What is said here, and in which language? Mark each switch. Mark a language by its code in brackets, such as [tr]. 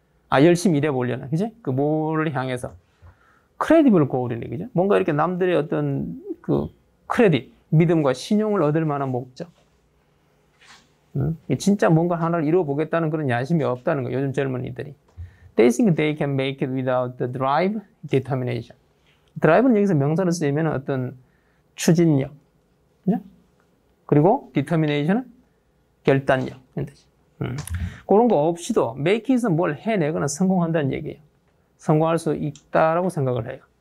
[ko] 아, 열심히 일해보려는, 그지? 그 뭐를 향해서? 크레디블 고울이네, 그죠? 뭔가 이렇게 남들의 어떤 그 크레딧, 믿음과 신용을 얻을 만한 목적. 진짜 뭔가 하나를 이루어보겠다는 그런 야심이 없다는 거, 요즘 젊은이들이. [en] They think they can make it without the drive, determination. [ko] 드라이브는 여기서 명사로 쓰이면 어떤 추진력, 그죠? 그리고 determination은 결단력. 그런 거 없이도 making에서 뭘 해내거나 성공한다는 얘기예요. 성공할 수 있다라고 생각을 해요.